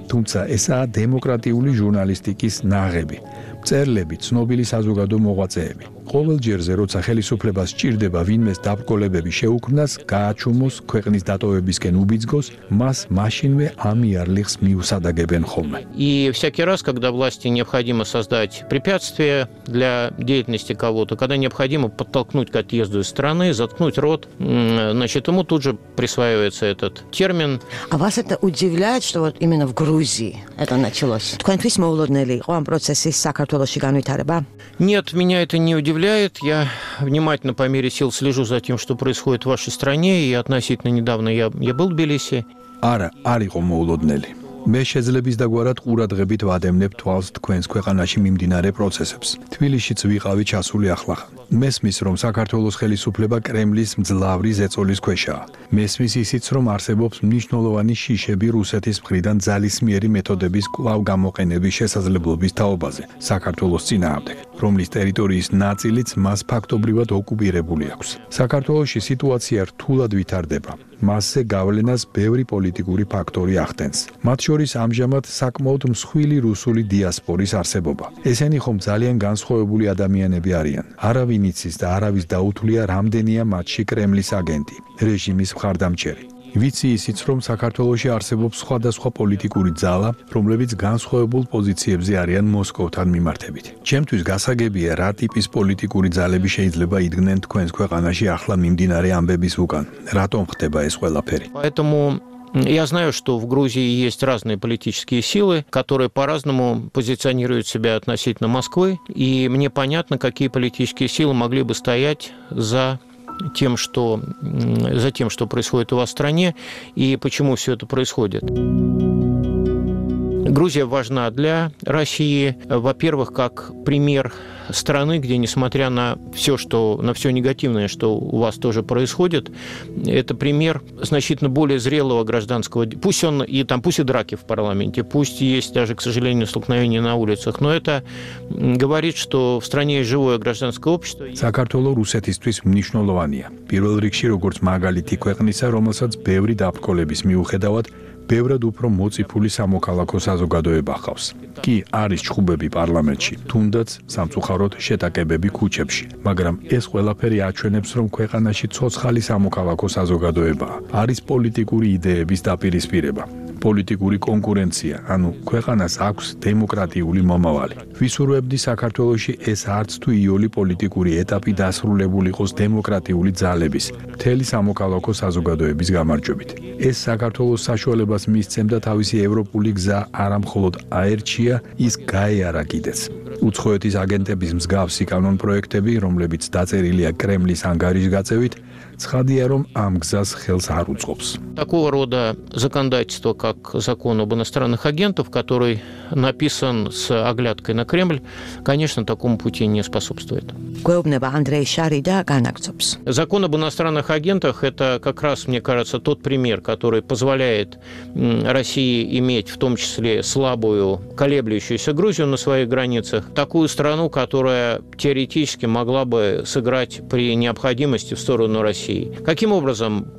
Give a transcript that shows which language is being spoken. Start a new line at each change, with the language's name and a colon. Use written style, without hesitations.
Georgian: თუმცა ესაა დემოკრატიული ჟურნალისტიკის ნაღები, მწერლები, ცნობილი საზოგადო მოღვაწეები. ყოველჯერზე, როცა ხელისუფლებას სჭირდება ვინმეს დაბრკოლებები შეუქმნას, გააჩუმოს, ქვეყნის დატოვებისკენ უბიძგოს, მას მაშინვე ამ იარლიხს მიუსადაგებენ ხოლმე.
Russian: И всякий раз, когда власти необходимо создать препятствия для деятельности кого-то, когда необходимо подтолкнуть к отъезду из страны, заткнуть рот, значит, ему тут же присваивается этот термин. А вас это удивляет, что вот именно в Грузии это началось?
Georgian: თქვენთვის მოულოდნელი იყო ამ პროცესის საქართველოსში განვითარება?
Russian: Нет, меня это не удивляет. Я внимательно по мере сил слежу за тем, что происходит в вашей стране, и относительно недавно я был в Тбилиси.
Georgian: Ара, арико моулоднели. მე შეძლების დაგვარად ყურადღებით ვადევნებ თვალს თქვენს ქვეყანაში მიმდინარე პროცესებს. თბილისშიც ვიყავი ჩასული ახლა. მესმის, რომ საქართველოს ხელისუფლება კრემლის მძლავრი ზეწოლის ქვეშაა. მესმის ისიც, რომ არსებობს მნიშვნელოვანი შიშები რუსეთის მხრიდან ძალისმიერი მეთოდების კვლავ გამოყენების შესაძლებლობის თაობაზე საქართველოს წინააღმდეგ, რომლის ტერიტორიის ნაწილიც მას ფაქტობრივად ოკუპირებული აქვს. საქართველოში სიტუაცია რთულად ვითარდება. მასზე გავლენას ბევრი პოლიტიკური ფაქტორი ახდენს. მათ შორის შორის ამჟამად საკმაოდ მსხვილი რუსული დიასპორის არსებობა. ესენი ხომ ძალიან განსხვავებული ადამიანები არიან. არავინ იცის და არავის დაუთვლია რამდენია მათში კრემლის აგენტი, რეჟიმის მხარდამჭერი. ვიცი ისიც, რომ საქართველოში არსებობს სხვადასხვა პოლიტიკური ძალა, რომლებიც განსხვავებულ პოზიციებზე არიან მოსკოვთან მიმართებით. ჩემთვის გასაგებია, რა ტიპის პოლიტიკური ძალები შეიძლება იდგნენ თქვენს ქვეყანაში ახლა მიმდინარე ამბების უკან. რატომ ხდება ეს ყველაფერი?
Russian: Я знаю, что в Грузии есть разные политические силы, которые по-разному позиционируют себя относительно Москвы, и мне понятно, какие политические силы могли бы стоять за тем, что происходит у вас в стране и почему все это происходит. Грузия важна для России, во-первых, как пример страны, где, несмотря на все негативное, что у вас тоже происходит, это пример значительно более зрелого гражданского. Пусть и драки в парламенте, пусть есть даже, к сожалению, столкновения на улицах, но это говорит, что в стране есть живое гражданское общество.
Georgian: Საქართველო რუსეთისთვის მნიშვნელოვანია. Პირველ რიგში, როგორც მაგალითი ქვეყნისა, რომელსაც ბევრი დაბრკოლების მიუხედავად ბევრად უფრო მოციფული სამოქალაქო საზოგადოება ხავს. კი, არის ჩხუბები პარლამენტში, თუნდაც სამწუხაროდ შეტაკებები ქუჩებში, მაგრამ ეს ყველაფერი აჩვენებს, რომ ქვეყანაში ცოცხალი სამოქალაქო საზოგადოებაა. არის პოლიტიკური იდეების დაპირისპირება, პოლიტიკური კონკურენცია, ანუ ქვეყანას აქვს დემოკრატიული მომავალი. ვისურვებდი საქართველოში ეს არც თუ იოლი პოლიტიკური ეტაპი დასრულებულიყოს დემოკრატიული ძალების, მთელი სამოქალაქო საზოგადოების გამარჯვებით. ეს საქართველოს საშუალებას მისცემდა თავისი ევროპული გზა არამხოლოდ აერჩია, ის გაეარა კიდეც. უცხოეთის აგენტების მსგავსი კანონ პროექტები, რომლებიც დაწერილია კრემლის ანგარიშ გაწევით, ცხადია, რომ ამ გზას ხელს არ უწყობს.
Russian: Такого рода законодательство, как закон об иностранных агентов, который написан с оглядкой на Кремль, конечно, такому пути не способствует. Гвоевнева Андрей Шарида განაგცობს. Закон об иностранных агентах – это как раз, мне кажется, тот пример, который позволяет России иметь в том числе слабую, колеблющуюся Грузию на своих границах, такую страну, которая теоретически могла бы сыграть при необходимости в сторону России. Каким образом?